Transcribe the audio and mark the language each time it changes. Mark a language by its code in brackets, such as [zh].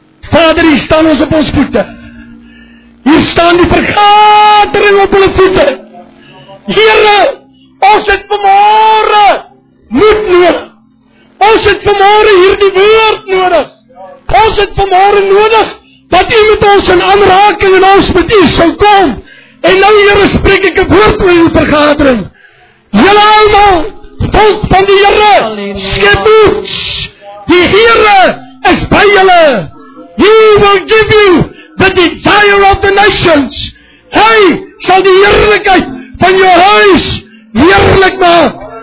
[af] Vader, hier staan ons op ons voete. Hier staan die vergadering op hulle voete. Heere, ons het vanmôre moed nodig. Ons het vanmôre hier die woord nodig. Ons het vanmôre nodig dat u met ons in aanraking en ons met u sal kom. En nou, Heere, spreek ek een woord oor die vergadering. Julle almal, volk van die Heere, skep moed. Die Heere is by julle. [en] He will give you the desire of the nations. [af] Hy sal die heerlijkheid van jou huis heerlijk maak.